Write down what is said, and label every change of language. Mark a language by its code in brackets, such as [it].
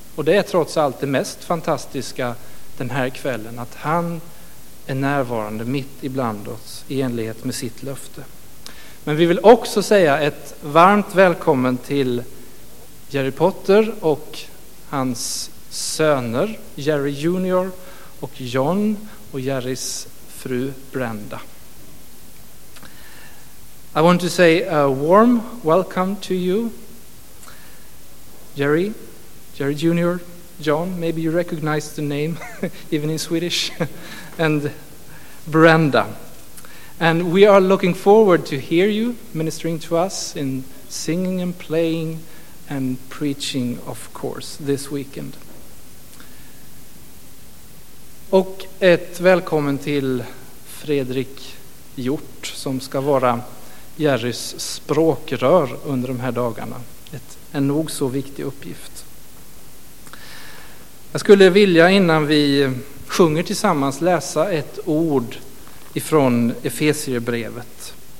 [sv] Och det är trots allt det mest fantastiska den här kvällen, att han är närvarande mitt ibland oss i enlighet med sitt löfte. Men vi vill också säga ett varmt välkommen till Harry Potter och hans söner Harry Junior och John och Harrys fru Brenda. [en] I want to say a warm welcome to you, Harry, Harry Junior, John. Maybe you recognize the name even in Swedish. And Brenda. And we are looking forward to hear you ministering to us in singing and playing and preaching, of course, this weekend. [sv] Och ett välkommen till Fredrik Hjort, som ska vara Jerrys språkrör under de här dagarna. En nog så viktig uppgift. Jag skulle vilja, innan vi sjunger tillsammans, läsa ett ord ifrån Efesierbrevet.